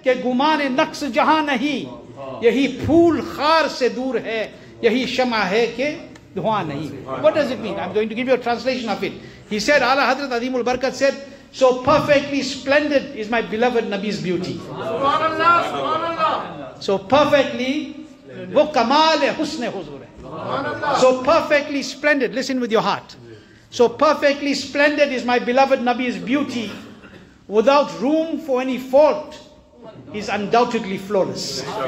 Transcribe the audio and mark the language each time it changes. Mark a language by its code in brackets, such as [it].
[ur] کہ گمان نقص جہاں نہیں یہی پھول خار سے دور ہے یہی شمع ہے کہ دھواں نہیں. [en] What does it mean? I'm going to give you a translation of it. He said, Ala Hazrat Azim ul Barkat said, so perfectly splendid is my beloved Nabi's beauty. [ar] Subhanallah, subhanallah. [en] So perfectly, [ur] وہ کمال حسن حضور ہے. [en] So perfectly splendid, listen with your heart. So perfectly splendid is my beloved Nabi's beauty, without room for any fault, is undoubtedly flawless.